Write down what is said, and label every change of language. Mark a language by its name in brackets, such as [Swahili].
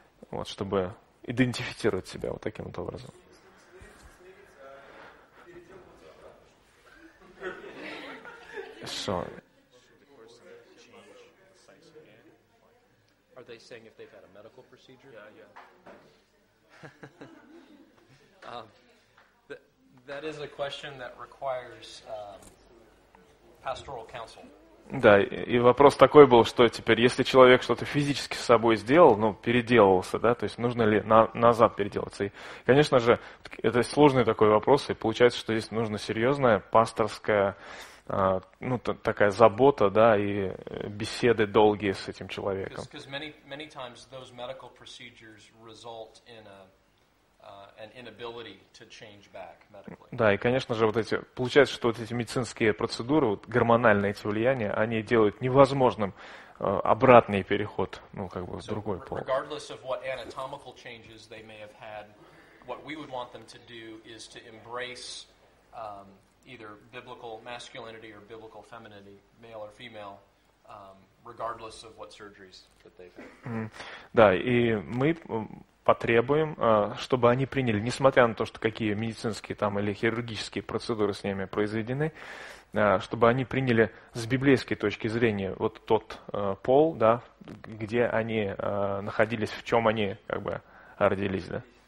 [Russian] Вот, чтобы идентифицировать себя вот таким вот образом. [English] That is a question that requires pastoral counsel. [Russian] Да, и вопрос такой был, что теперь, если человек что-то физически с собой сделал, ну, переделывался, да, то есть нужно ли назад переделаться? И, конечно же, это сложный такой вопрос, и получается, что здесь нужна серьезная пасторская, ну, такая забота, да, и беседы долгие с этим человеком. [English] Because many times those medical procedures result in a... An inability to change back medically. [Russian] Да, и, конечно же, вот эти, получается, что вот эти медицинские процедуры, вот гормональные эти влияния, они делают невозможным обратный переход, ну, как бы, в другой пол. [English] Regardless of what anatomical changes they may have had, what we would want them to do is to embrace either biblical masculinity or biblical femininity, male or female, regardless of what surgeries that they've had. [Russian] Да, и мы... потребуем, чтобы они приняли, несмотря на то, что какие медицинские там или хирургические процедуры с ними произведены, чтобы они приняли с библейской точки зрения вот тот пол, да, где они находились, в чем они как бы родились, да.